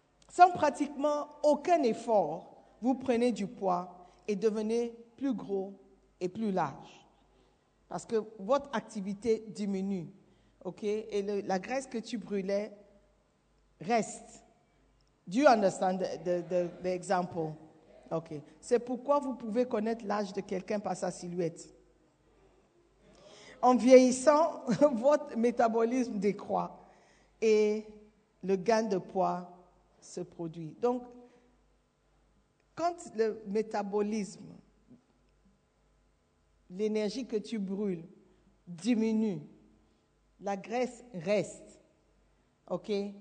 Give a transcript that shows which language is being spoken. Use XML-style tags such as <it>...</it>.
<fr>Sans pratiquement aucun effort, vous prenez du poids et devenez plus gros et plus large. parce que votre activité diminue, ok? Et la graisse que tu brûlais reste.</fr> <en>Do you understand the example? Ok.</en> <fr>C'est pourquoi vous pouvez connaître l'âge de quelqu'un par sa silhouette. En vieillissant, votre métabolisme décroît et le gain de poids se produit. Donc, quand le métabolisme, l'énergie que tu brûles diminue, la graisse reste. OK?</fr>